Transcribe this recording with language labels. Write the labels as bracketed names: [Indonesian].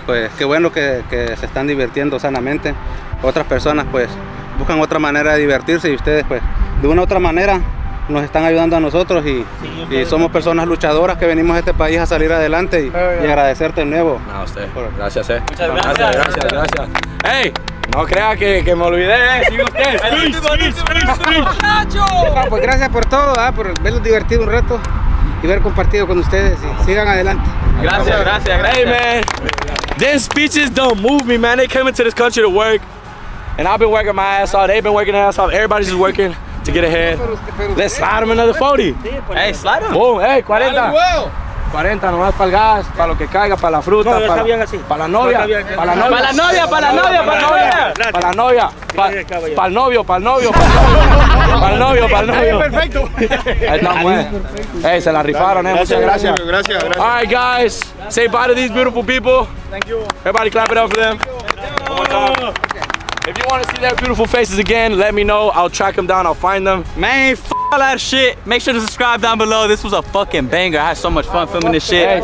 [Spanish] Y pues, qué bueno que se están divirtiendo sanamente. Otras personas, pues, buscan otra manera de divertirse, y ustedes, pues, de una u otra manera, nos están ayudando a nosotros, y somos personas luchadoras que venimos a este país a salir adelante, y agradecerte de nuevo. A usted. Gracias, Muchas gracias. Gracias. Hey. No crea que me olvidé, sigue usted. ¡Feliz! Bueno, pues gracias por todo, por verlos divertido un rato y ver compartido con ustedes. Y sigan adelante. Gracias. [English] Hey, man. Them speeches don't move me, man. They came into this country to work. And I've been working my ass off. They've been working their ass off. Everybody's just working to get ahead. Let's slide them another 40. Hey, slide them. Boom, hey, 40. [Spanish] 40 nomás para el gas, para lo que caiga, para la fruta, no, para el novio. Perfecto. Ahí está, hey, se la rifaron, gracias, muchas gracias. Gracias. [English] All right, guys, say bye to these beautiful people. Thank you. Everybody clap it up for them. If you want to see their beautiful faces again, let me know. I'll track them down. I'll find them. Man, f*** all that shit. Make sure to subscribe down below. This was a fucking banger. I had so much fun filming this shit.